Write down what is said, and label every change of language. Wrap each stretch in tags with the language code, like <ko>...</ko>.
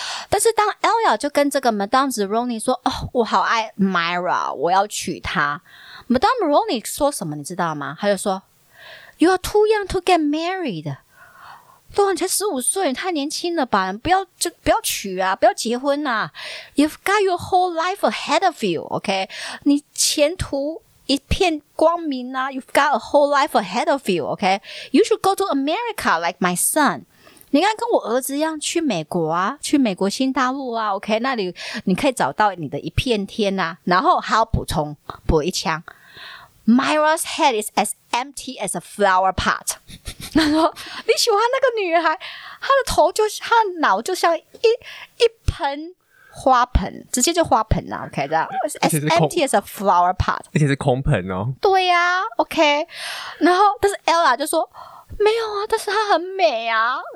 <zh>但是当 Elia 就跟这个 Madame Zeroni 说，哦，我好爱 Myra， 我要娶她。 Madame Zeroni 说什么你知道吗？他就说</zh> <en>You are too young to get married，</en> <zh>对啊，你才15岁，你太年轻了吧，不要就不要娶啊，不要结婚啊。</zh> <en>You've got your whole life ahead of you, okay?</en> <zh>你前途一片光明啊，</zh> <en>You've got a whole life ahead of you, okay? You should go to America like my son.</en> <zh>你应该跟我儿子一样去美国啊，去美国新大陆啊， okay? 那里你可以找到你的一片天啊。然后还要补充，补一枪。</zh> <en>Myra's head is as empty as a flower pot.</en> <zh>他说你喜欢那个女孩，她的头就是她的脑就像一盆花盆，直接就花盆啦， OK， 这样。</zh> <en>As empty as a flower pot.</en> <zh>而且是空盆哦。对啊， OK。然后但是 Ella 就说没有啊，但是她很美啊。</zh>